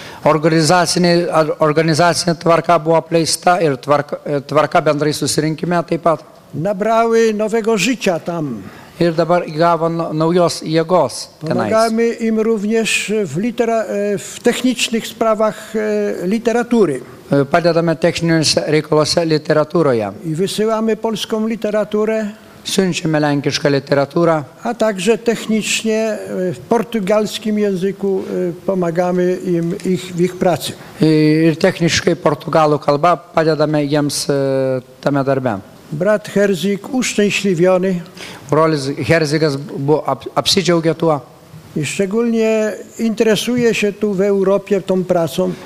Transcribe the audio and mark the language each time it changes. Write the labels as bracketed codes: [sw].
[lt] Organizacinė tvarka buvo apleista ir tvarka bendrai susirinkime taip pat. [pl] Nabrały nowego życia tam. [lt] Ir dabar įgavo naujos jėgos tenais. [pl] Pomagamy im również w technicznych sprawach literatury. [lt] Padedame techniniuose reikaluose literatūroje. [pl] I wysyłamy polską literaturę. [lt] Siunčiame lenkišką literatūrą. [pl] A także technicznie w portugalskim języku pomagamy im w ich pracy. [lt] Ir techniškai portugalų kalba padedame jiems tame darbe. [pl] Brat Herzyk uszczęśliwiony. [lt] Brolis Herzygas buvo apsidžiaugė tuo. [pl] I szczególnie interesuje się tu w Europie tą pracą.